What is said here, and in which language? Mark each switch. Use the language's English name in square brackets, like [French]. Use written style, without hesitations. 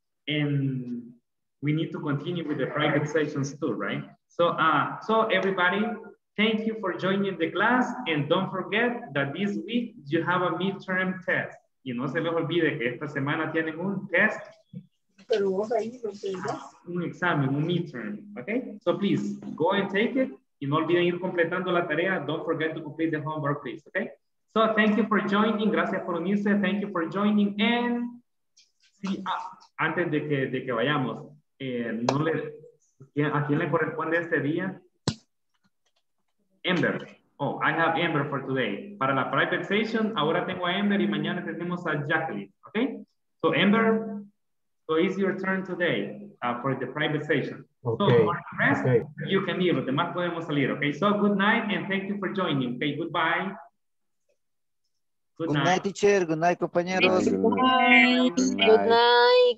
[English] And we need to continue with the private sessions too, right? So, so everybody, thank you for joining the class, and don't forget that this week you have a midterm test. [Spanish] Y no se les olvide que esta semana tienen un test. Pero vos ahí no tienes. Un examen, un [English] midterm, okay? So please, go and take it. [Spanish] Y no olviden ir completando la tarea. [English] Don't forget to complete the homework, please, okay? So thank you for joining. [Spanish] Gracias por unirse. [English] Thank you for joining. And see, [Spanish] antes de que vayamos, no le, ¿a quién le corresponde este día? Amber. [English] Oh, I have Amber for today. [Spanish] Para la private session, ahora tengo a Amber y mañana tenemos a Jacqueline. [English] Okay? So Amber, so it's your turn today for the private session. Okay. So for the rest, okay, you can leave. [Spanish] The más podemos salir. [English] Okay? So good night and thank you for joining. Okay? Goodbye. Good night. Good night, teacher. Good night, compañeros. Good night. Good night.